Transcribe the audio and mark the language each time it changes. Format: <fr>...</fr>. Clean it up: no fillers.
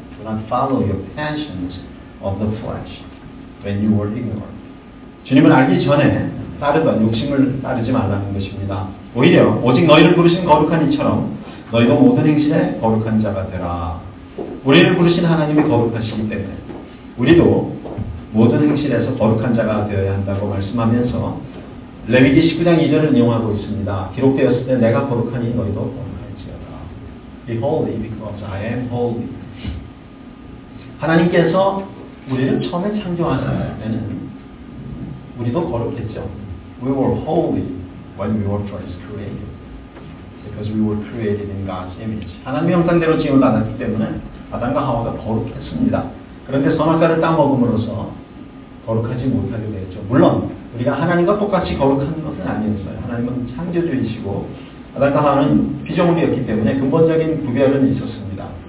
<en>Do not follow your passions of the flesh when you were ignorant.</en> <ko>주님을 알기 전에 따르던 욕심을 따르지 말라는 것입니다. 오히려 오직 너희를 부르신 거룩한 이처럼 너희도 모든 행실에 거룩한 자가 되라. 우리를 부르신 하나님이 거룩하시기 때문에 우리도 모든 행실에서 거룩한 자가 되어야 한다고 말씀하면서 레위기 19장 2절을 이용하고 있습니다. 기록되었을 때 내가 거룩하니 너희도 거룩할지어다.</ko> <en>Be holy because I am holy.</en> <ko>하나님께서 우리를 처음에 창조하실 때는 우리도 거룩했죠.</ko> <en>We were holy when we were first created. Because we were created in God's image.</en> <ko>하나님의 형상대로 지음을 받았기 때문에 아담과 하와가 거룩했습니다. 그런데 선악과를 따먹음으로써 거룩하지 못하게 되었죠. 물론 우리가 하나님과 똑같이 거룩한 것은 아니었어요. 하나님은 창조주이시고 아담과 하와는 피조물이었기 때문에 근본적인 구별은 있었습니다.</ko>